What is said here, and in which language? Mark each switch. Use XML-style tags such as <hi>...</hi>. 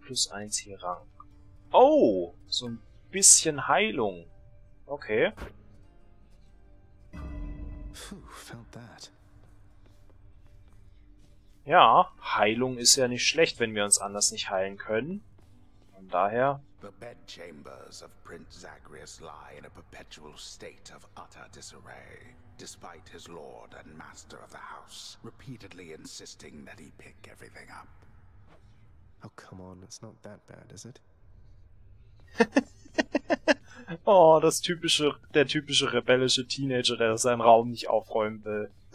<de>Plus 1 hier Rang. Oh! So ein bisschen Heilung. Okay.</de> <en>Puh, felt that.</en> <de>Ja, Heilung ist ja nicht schlecht, wenn wir uns anders nicht heilen können. Von daher.</de> <en>The bedchambers of Prince Zagreus lie in a perpetual state of utter disarray, despite his lord and master of the house repeatedly insisting that he pick everything up. Oh, come on, it's not that bad, is it?</en> <de>Oh, das typische, der typische rebellische Teenager, der seinen Raum nicht aufräumen will.</de>